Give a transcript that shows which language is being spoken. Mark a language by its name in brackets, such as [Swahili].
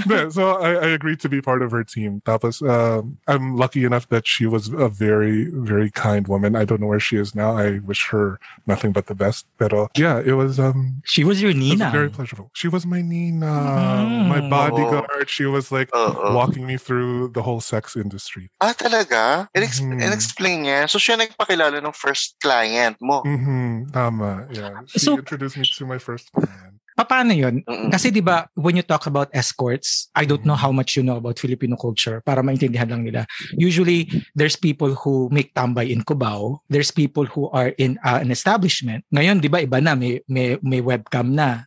[English] So I agreed to be part of her team. [Filipino] Tapos, [English] I'm lucky enough that she was a very, very kind woman. I don't know where she is now. I wish her nothing but the best. [Filipino] Pero [English] yeah, it was... She was your Nina. Was very pleasurable. She was my Nina. Mm-hmm. My bodyguard. She was like walking me through the whole sex industry. [Filipino] Ah, talaga? Explain niya. So siya nagpakilala ng first client mo. Mm-hmm. Tama, yeah. [English] She introduced me to my first client. [Filipino] Paano yun? Kasi diba, [English] when you talk about escorts, I don't know how much you know about Filipino culture, [Filipino] para maintindihan lang nila. [English] Usually, there's people who make tambay in Cubao. There's people who are in an establishment. [Filipino] Ngayon, diba, iba na, may webcam na.